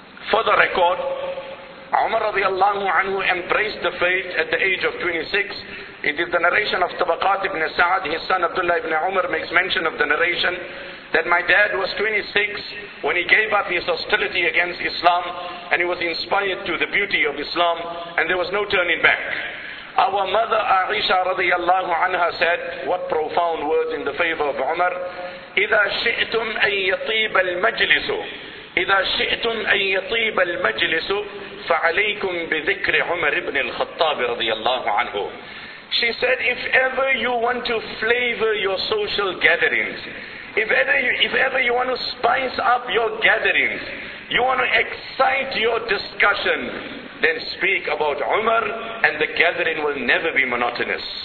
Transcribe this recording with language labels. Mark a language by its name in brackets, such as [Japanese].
[English] For the record, Umar radiallahu anhu embraced the faith at the age of 26. It is the narration of Tabaqat ibn Sa'ad, his son Abdullah ibn Umar makes mention of the narration that my dad was 26 when he gave up his hostility against Islam, and he was inspired to the beauty of Islam, and there was no turning back. Our mother Aisha radiallahu anha said, what profound words in the favor of Umar, [Arabic] إِذَا شِئْتُمْ أَن يَطِيبَ الْمَجْلِسُ إِذَا شِئْتُمْ أَن يَطِيبَ الْمَجْلِسُ فَعَلَيْكُمْ بِذِكْرِ عُمَرْ إِبْنِ الْخَطَّابِ رَضِيَ. [English] She said, if ever you want to flavor your social gatherings, if ever you want to spice up your gatherings, you want to excite your discussion, then speak about Umar and the gathering will never be monotonous.